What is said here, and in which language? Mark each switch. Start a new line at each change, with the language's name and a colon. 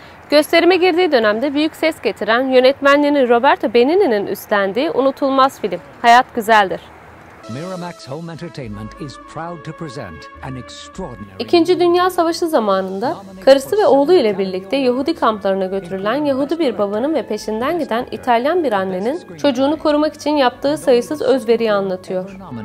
Turkish: Gösterime girdiği dönemde büyük ses getiren yönetmenlerin Roberto Benigni'nin üstlendiği unutulmaz film Hayat Güzeldir.
English: Miramax Home Entertainment is proud to present an extraordinary...
Turkish: İkinci Dünya Savaşı zamanında karısı ve oğlu ile birlikte Yahudi kamplarına götürülen Yahudi bir babanın ve peşinden giden İtalyan bir annenin çocuğunu korumak için yaptığı sayısız özveriyi anlatıyor.